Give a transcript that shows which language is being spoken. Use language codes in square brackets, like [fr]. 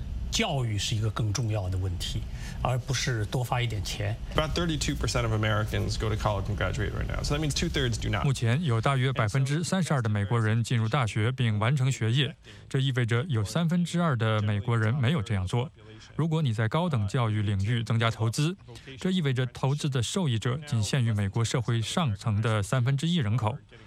[zh] 教育是一个更重要的问题，而不是多发一点钱。 [en] About 32% of Americans go to college and graduate right now, so that means two-thirds do not. [zh] 目前有大约32%的美国人进入大学并完成学业，这意味着有2/3的美国人没有这样做。如果你在高等教育领域增加投资，这意味着投资的受益者仅限于美国社会上层的1/3人口。